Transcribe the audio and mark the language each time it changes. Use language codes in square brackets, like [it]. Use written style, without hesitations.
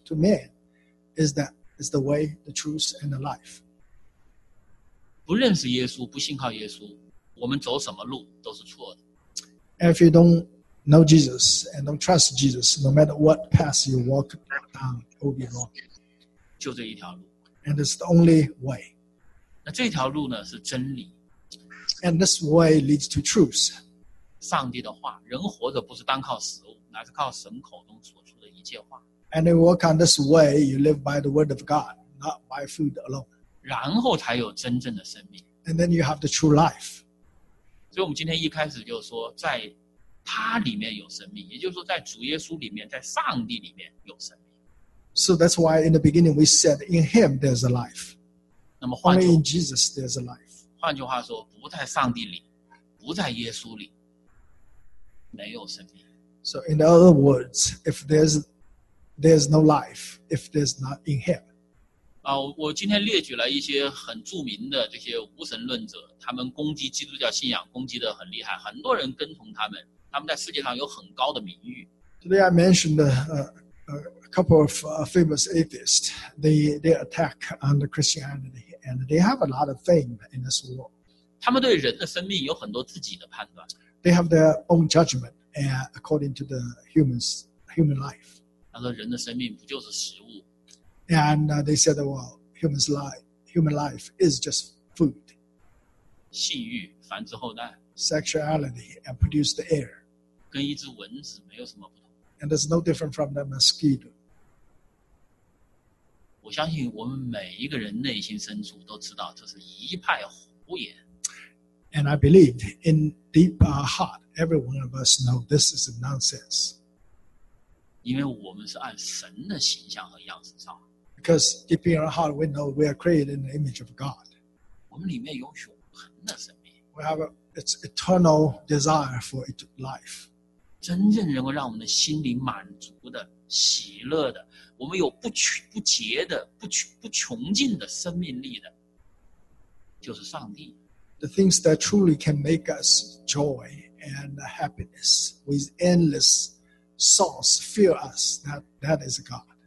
[en] To man, is that is the way, the truth, and the life. [zh] 不认识耶稣，不信靠耶稣，我们走什么路都是错的。 [en] If you don't know Jesus and don't trust Jesus, no matter what path you walk down, it will be wrong. [zh] 就这一条路。 [en] And it's the only way. [zh] 那这条路呢是真理。 [en] And this way leads to truth. [zh] 上帝的话，人活着不是单靠食物，乃是靠神口中所出的一切话。 [en] And you walk on this way, you live by the word of God, not by food alone. [zh] 然后才有真正的生命。 [en] And then you have the true life. [zh] 所以我们今天一开始就说，在他里面有生命，也就是说在主耶稣里面，在上帝里面有生命。 [en] So that's why in the beginning we said in him there's a life. [zh] 那么换句话, [en] Only in Jesus there's a life. [zh] 换句话说，不在上帝里，不在耶稣里，没有生命。 [en] So in other words, if there's no life, if there's not in him. [zh] 我今天列举了一些很著名的这些无神论者，他们攻击基督教信仰，攻击得很厉害，很多人跟从他们，他们在世界上有很高的名誉。 [en] Today I mentioned a couple of famous atheists. They attack on the Christianity, and they have a lot of fame in this world. [zh] 他们对人的生命有很多自己的判断。 [en] They have their own judgment, and according to the human life. [zh] 他说人的生命不就是食物？ [en] And they said, well, human life is just food. [zh] 性欲繁殖后代。 [en] Sexuality and produce the air. [zh] 跟一只蚊子没有什么不同。 [en] And there's no different from the mosquito. [zh] 我相信我们每一个人内心深处都知道这是一派胡言。 [en] And I believe in deep our heart, every one of us know this is nonsense. [zh] 因为我们是按神的形象和样式造。 [en] Because deep in our heart, we know we are created in the image of God. [zh] 我们里面有永恒的生命。 [en] We have its eternal desire for its life. [zh] 真正能够让我们的心灵满足的、喜乐的，我们有不竭的、不穷尽的生命力的，就是上帝。 [en] The things that truly can make us joy and happiness with endless source fill us, that is God.